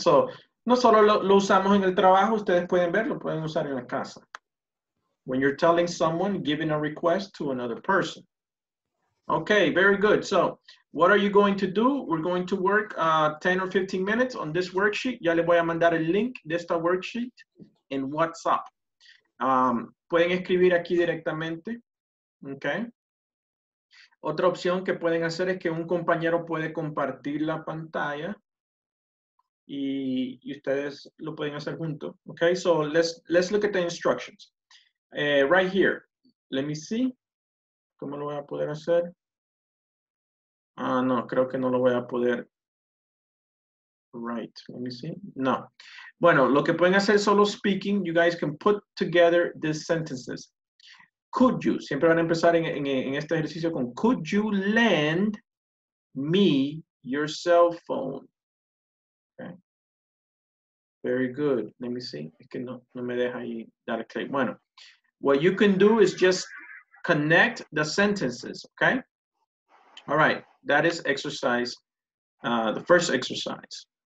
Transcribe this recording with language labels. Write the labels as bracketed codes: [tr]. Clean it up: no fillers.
[es] So, no solo lo usamos en el trabajo, ustedes pueden ver, lo pueden usar en la casa. [en] When you're telling someone, giving a request to another person. Okay, very good. So, what are you going to do? We're going to work 10 or 15 minutes on this worksheet. [es] Ya le voy a mandar el link de esta worksheet en WhatsApp. Pueden escribir aquí directamente. Okay. Otra opción que pueden hacer es que un compañero puede compartir la pantalla. Y ustedes lo pueden hacer junto. [en] Okay, so let's look at the instructions. Right here. Let me see. [es] ¿Cómo lo voy a poder hacer? No, creo que no lo voy a poder. [en] Right, let me see. [es] No. Bueno, lo que pueden hacer solo [en] speaking, you guys can put together these sentences. Could you, [es] siempre van a empezar en este ejercicio con, [en] could you lend me your cell phone? Okay. Very good. Let me see. [es] Es que no me deja ahí dar click. [en] Bueno, what you can do is just connect the sentences, okay? All right, that is exercise, the first exercise.